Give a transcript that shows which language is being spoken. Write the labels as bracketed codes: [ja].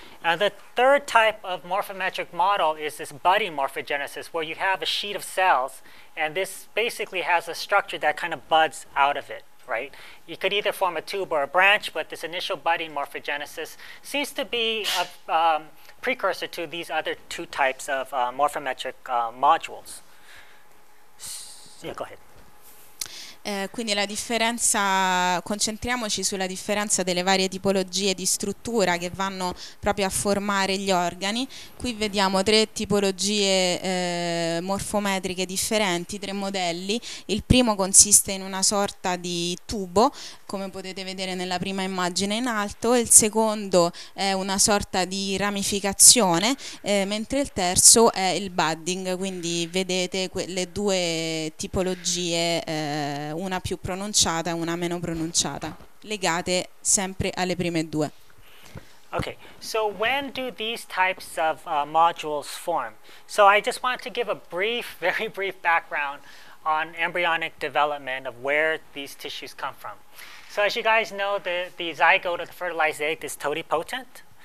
[en] And the third type of morphometric model is this buddy morphogenesis, where you have a sheet of cells, and this basically has a structure that kind of buds out of it, right? You could either form a tube or a branch, but this initial buddy morphogenesis seems to be a precursor to these other two types of morphometric modules. Yeah, go ahead. [it] Quindi la differenza, concentriamoci sulla differenza delle varie tipologie di struttura che vanno proprio a formare gli organi. Qui vediamo tre tipologie morfometriche differenti, tre modelli. Il primo consiste in una sorta di tubo, come potete vedere nella prima immagine in alto, il secondo è una sorta di ramificazione, mentre il terzo è il budding, quindi vedete le due tipologie, una più pronunciata e una meno pronunciata, legate sempre alle prime due. [en] Okay, so when do these types of modules form? So I just want to give a brief, very brief background on embryonic development of where these tissues come from. So as you guys know, the zygote of the fertilized egg is totipotent.